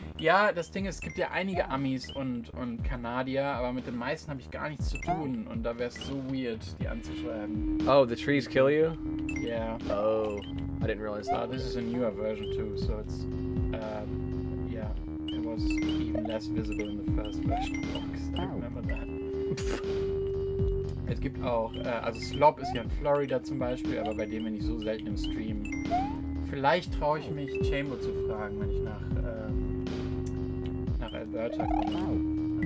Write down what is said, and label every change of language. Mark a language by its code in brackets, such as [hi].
[de] Ja, das Ding ist, es gibt ja einige Amis und Kanadier, aber mit den meisten habe ich gar nichts zu tun und da wär's so weird, die anzuschreiben. [en] Oh, the trees kill you? Yeah. Oh, I didn't realize that. This is a newer version too, so it's, yeah. was even less visible in the first version of Orcus. I remember that. [de] Es gibt auch, also Slop ist ja in Florida zum Beispiel, aber bei dem bin ich so selten im Stream. Vielleicht traue ich mich, Chamber zu fragen, wenn ich nach, nach Alberta komme.